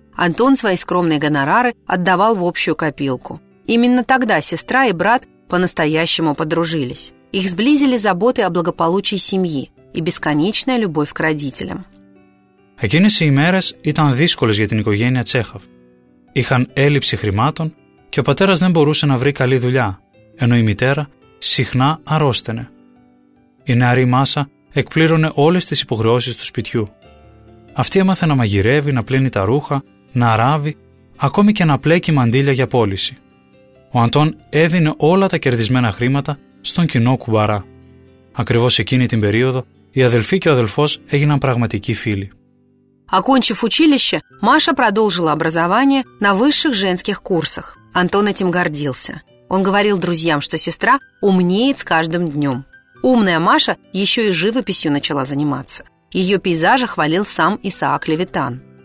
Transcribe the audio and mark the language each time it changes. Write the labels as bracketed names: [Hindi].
[Russian] Антон свои скромные гонорары отдавал в общую копилку. Именно тогда сестра и брат по-настоящему подружились. Их сблизили заботы о благополучии семьи и бесконечная любовь к родителям. [Greek] Εκείνες οι ημέρες ήταν δύσκολες για την οικογένεια Τσέχαφ. Είχαν έλλειψη χρημάτων και ο πατέρας δεν μπορούσε να βρει καλή δουλειά, ενώ η μητέρα συχνά αρρώστενε. Η νεαρή Μάσα εκπλήρωνε όλες τις υποχρεώσεις του σπιτιού. Αυτή έμαθε να μαγειρεύει, να πλύνει τα ρούχα, να ράβει, ακόμη και να πλέκει μαντήλια για πώληση. Ο Αντών έδινε όλα τα κερδισμένα χρήματα στον κοινό κουμπαρά. Ακριβώς εκείνη την περίοδο, η αδελφή και ο αδελφός έγιναν πραγματικοί φίλοι. [Russian] Окончив училище, Маша продолжила образование на высших женских курсах. Антон этим гордился. Он говорил друзьям, что сестра умнеет с каждым днем. Умная Маша еще и живописью начала заниматься. Ее пейзажи хвалил сам Исаак Левитан.